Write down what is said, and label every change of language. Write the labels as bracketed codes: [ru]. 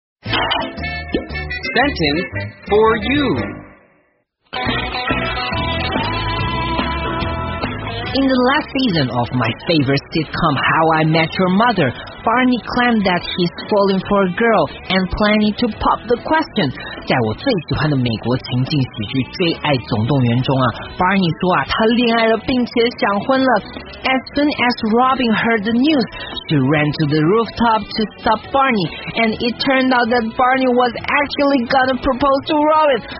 [en] Sentence for You. In the last season of my favorite sitcom, How I Met Your Mother, Barney claimed that he's falling for a girl and planning to pop the question. [zh] 在我最喜欢的美国情景喜剧《最爱总动员》中啊 ，Barney 说啊，他恋爱了并且想婚了。 [en] As soon as Robin heard the news, she ran to the rooftop to stop Barney, and it turned out that Barney was actually gonna propose to Robin.